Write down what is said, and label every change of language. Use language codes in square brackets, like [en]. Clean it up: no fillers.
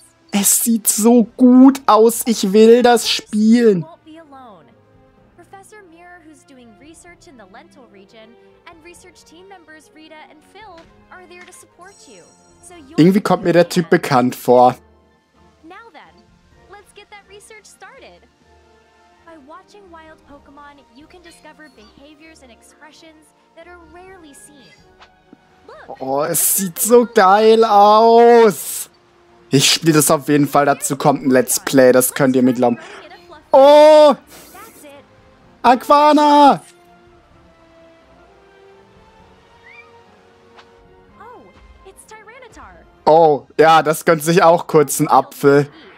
[de] Es sieht so gut aus, ich will das spielen. [en] Professor Muir, who's doing research in the Lentil region, and research team members Rita and Phil are there to support you. [de] So irgendwie kommt mir der Typ bekannt vor. [en] Now then, let's get that research started. By watching wild Pokemon, you can discover behaviors and expressions that are rarely seen. [de] Oh, es sieht so geil aus. Ich spiele das auf jeden Fall, dazu kommt ein Let's Play, das könnt ihr mir glauben. Oh! Aquana! Oh, Oh, ja, das gönnt sich auch kurz ein Apfel.